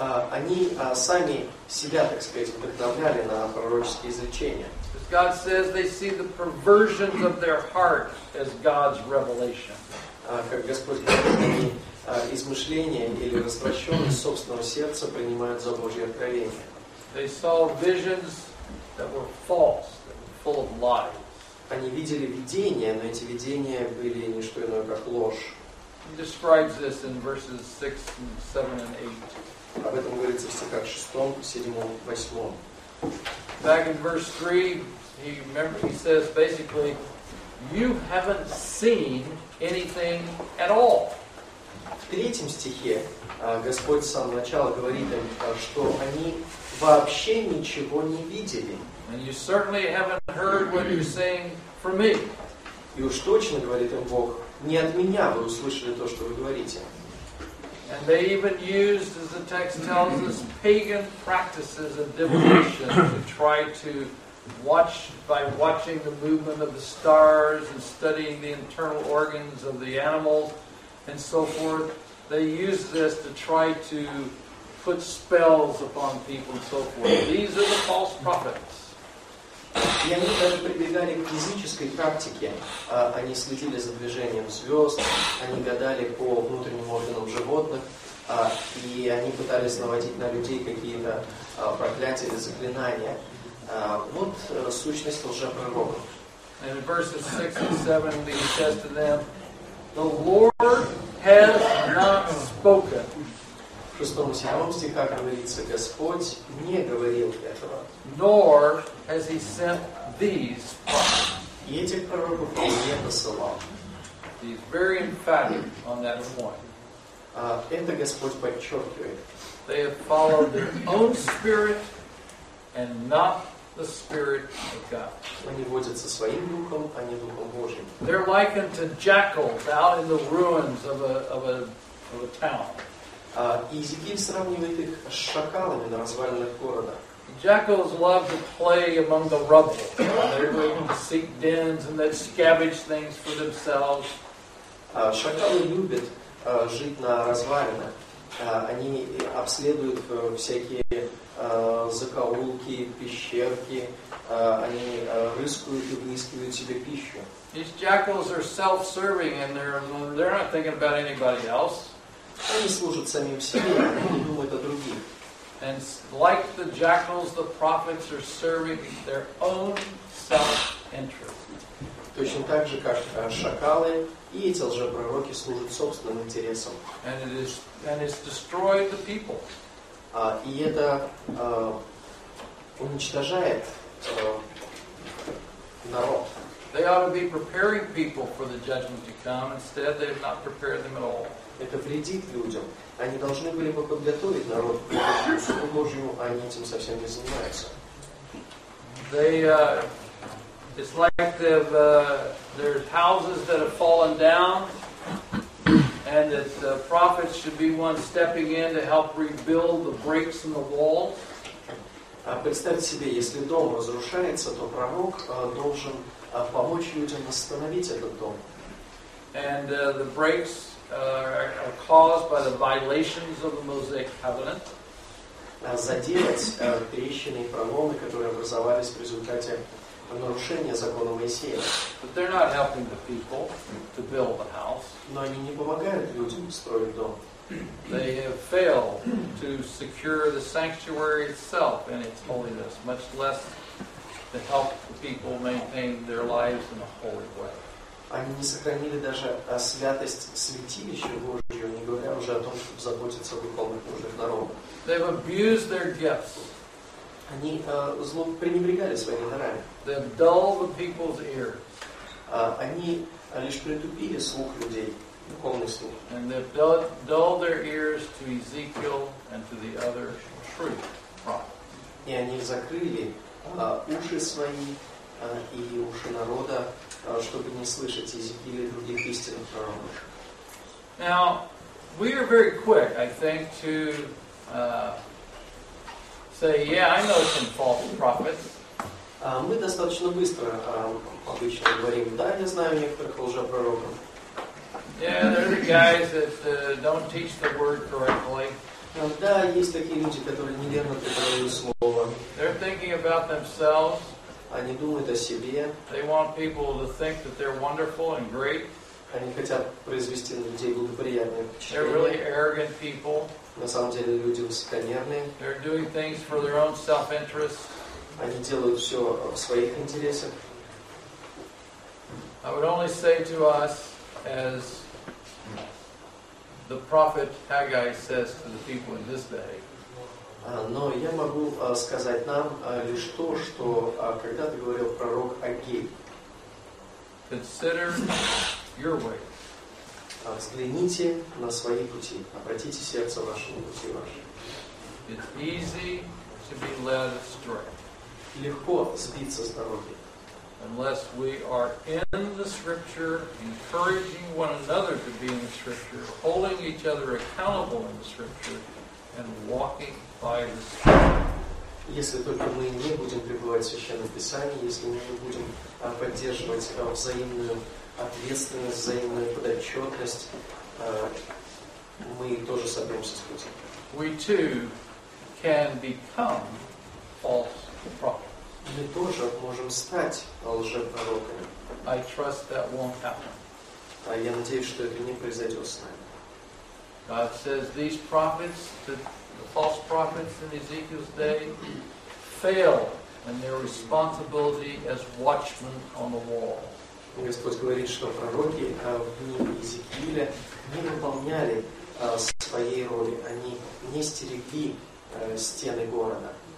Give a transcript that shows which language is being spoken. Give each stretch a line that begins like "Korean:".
Russian: они сами себя, так сказать, вдохновляли на пророческие изречения.
English: As God says, they see the perversions of their heart as God's revelation.
Russian: Как Господь говорит, они измышления или развращенность собственного сердца принимают за Божье откровение.
English: They saw visions that were false, that were full of lies.
Russian: Они видели видения, но эти видения были не что иное, как ложь.
English: He describes this in verses 6, 7, and 8.
Russian: Об этом говорится в стихах 6, 7, 8.
English: Back in verse 3, he says basically, you haven't seen anything at all.
Russian: В третьем стихе Господь с самого начала говорит им, что они вообще ничего не видели.
English: And you certainly haven't heard what you're saying from me.
Russian: И уж точно, говорит им Бог, не от меня вы услышали то, что вы говорите.
English: And they even used, as the text tells us, pagan practices and divination to try to watch by watching the movement of the stars and studying the internal organs of the animals and so forth. They used this to try to put spells upon people and so forth. These are the false prophets.
Russian: И они даже прибегали к физической практике. Они следили за движением звезд, они гадали по внутренним органам животных, и они пытались наводить на людей какие-то проклятия или заклинания. Вот сущность лжепророков.
English: And in verses 6 and 7, he says to them, the Lord has not spoken.
Russian: В 6 и 7 стихах говорится, Господь не говорил этого.
English: Nor has he sent these prophets.
Russian: И этих пророков он не посылал.
English: He's very emphatic on that point.
Russian: Это Господь подчеркивает.
English: They have followed their own spirit and not the spirit of God.
Russian: Они водятся своим духом, а не духом Божьим.
English: They're likened to jackals out in the ruins of a town.
Russian: Иезекииль сравнивает их с шакалами на развалинах города.
English: Jackals love to play among the rubble. They would seek dens and they'd scavenge things for themselves.
Russian: Шакалы любят жить на развалинах. Они обследуют всякие закоулки, пещерки. Они рыскуют и выискивают себе пищу.
English: These jackals are self-serving and they're not thinking about anybody else.
Russian: Они служат самим себе, они не думают о других.
English: And like the jackals, the prophets are serving their own self-interest.
Russian: Точно так же, как шакалы, и эти лжепророки служат собственным интересам.
English: And it's destroyed the people.
Russian: И это уничтожает народ.
English: They ought to be preparing people for the judgment to come. Instead, they have not prepared them at all.
Russian: Это вредит людям. Они должны были бы подготовить народ к Суду Божьему, а они этим совсем не занимаются.
English: It's like there's houses that have fallen down, and that the prophets should be one stepping in to help rebuild the breaks in the wall.
Russian: Представьте себе, если дом разрушается, то пророк должен помочь людям восстановить этот дом.
English: And the breaks are caused by the violations of the Mosaic covenant.
Russian: Заделать трещины и проломы, которые образовались в результате нарушения закона Моисея.
English: But they're not helping the people to build the house.
Russian: Но они не помогают людям строить дом.
English: They have failed to secure the sanctuary itself and its holiness, much less to help the people maintain their lives in a holy way.
Russian: Они не сохранили даже святость святилища Божьего, не говоря уже о том, чтобы заботиться о духовных нуждах народа.
English: They've abused their gifts.
Russian: Они пренебрегали своими дарами.
English: They've dulled the people's ears.
Russian: Они лишь притупили слух людей, духовный слух.
English: And they've dulled their ears to Ezekiel and to the other true prophets.
Russian: И они закрыли уши свои и уши народа, чтобы не слышать Иезекииля или других истинных пророков.
English: Now, we are very quick, I think, to say, yeah, I know some false prophets.
Russian: Мы достаточно быстро обычно говорим, да, я знаю некоторых лжепророков.
English: Yeah, they're the guys that don't teach the word correctly.
Russian: Иногда есть такие люди, которые неверно преподают слово.
English: They're thinking about themselves.
Russian: Они думают о себе.
English: They want people to think that they're wonderful and great.
Russian: Они хотят произвести на людей благоприятное впечатление.
English: They're really arrogant people.
Russian: На самом деле люди высокомерные.
English: They're doing things for their own self-interest.
Russian: Они делают все в своих интересах.
English: I would only say to us, as the prophet Haggai says to the people in this day.
Russian: Но я могу сказать нам лишь то, что когда-то говорил пророк Агей.
English: Consider your way.
Russian: Взгляните на свои пути. Обратите сердце ваше на пути ваши.
English: It's easy to be led astray.
Russian: Легко сбиться с дороги.
English: Unless we are in the Scripture, encouraging one another to be in the Scripture, holding each other accountable in the Scripture, and walking by the Spirit.
Russian: Если только мы не будем пребывать в Священном Писании, если мы не будем поддерживать взаимную ответственность, взаимную подотчетность, мы тоже собьемся с пути.
English: We too can become false prophets.
Russian: Мы тоже можем стать лжепророками.
English: I trust that won't happen.
Russian: А я надеюсь, что это не произойдет с нами.
English: God says these prophets, the false prophets in Ezekiel's day, fail in their responsibility as watchmen on the wall.
Russian: Господь говорит, что пророки в дни Иезекииля не выполняли своей роли, они не стерегли стены города.